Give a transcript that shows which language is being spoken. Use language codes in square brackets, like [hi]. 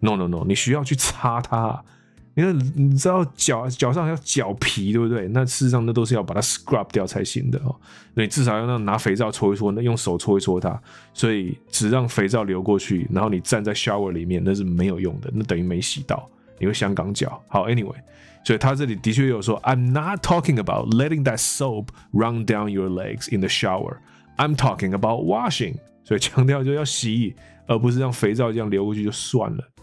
[en] No no no， [zh] 你需要去擦它，因为你知道脚上要脚皮，对不对？那事实上那都是要把它 scrub 掉才行的哦。你至少要那拿肥皂搓一搓，那用手搓一搓它，所以只让肥皂流过去，然后你站在 shower 里面那是没有用的，那等于没洗到，你会香港脚。好 ，anyway。所以他这里的确有说 [en] I'm not talking about letting that soap run down your legs in the shower. I'm talking about washing. [zh] 所以强调就要洗，而不是让肥皂这样流过去就算了。